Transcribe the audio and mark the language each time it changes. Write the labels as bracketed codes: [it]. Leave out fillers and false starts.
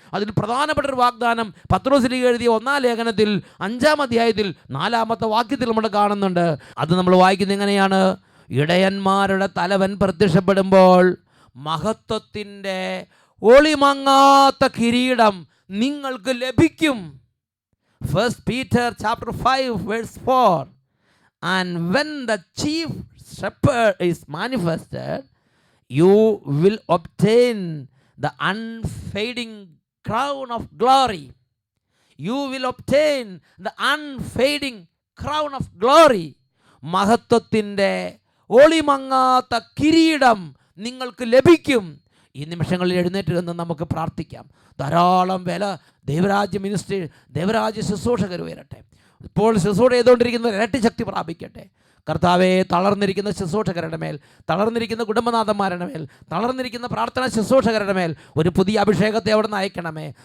[ml] അതിൽ പ്രധാനപ്പെട്ട ഒരു വാഗ്ദാനം പത്രോസിലേക്ക് എഴുതിയ 1:5-4 നമ്മൾ കാണുന്നുണ്ട്. അത് നമ്മൾ വായിക്കുന്നത് ഇങ്ങനെയാണ്, ഇടയന്മാരുടെ തലവൻ പ്രത്യക്ഷപ്പെടുമ്പോൾ മഹത്വത്തിൻ്റെ ഒളിമങ്ങാത്ത കിരീടം നിങ്ങൾക്ക് ലഭിക്കും. [en] 1 Peter 5:4. And when the chief shepherd is manifested, you will obtain the unfading crown of glory. You will obtain the unfading crown of glory. [ml] മഹത്വത്തിൻ്റെ ഒളിമങ്ങാത്ത കിരീടം നിങ്ങൾക്ക് ലഭിക്കും. ഈ നിമിഷങ്ങളിൽ എഴുന്നേറ്റ് നിന്ന് നമുക്ക് പ്രാർത്ഥിക്കാം. ധാരാളം വേല ദൈവരാജ്യ മിനിസ്ട്രി, ദൈവരാജ്യ ശുശ്രൂഷകർ ഉയരട്ടെ. ഇപ്പോൾ ശുശ്രൂഷ ചെയ്തുകൊണ്ടിരിക്കുന്ന ഇരട്ടി ശക്തി പ്രാപിക്കട്ടെ. കർത്താവേ, തളർന്നിരിക്കുന്ന ശുശ്രൂഷകരുടെ മേൽ, തളർന്നിരിക്കുന്ന കുടുംബനാഥന്മാരുടെ മേൽ, തളർന്നിരിക്കുന്ന പ്രാർത്ഥനാ ശുശ്രൂഷകരുടെ മേൽ ഒരു പുതിയ അഭിഷേകത്തെ അവിടെ നിന്ന് അയക്കണമേ.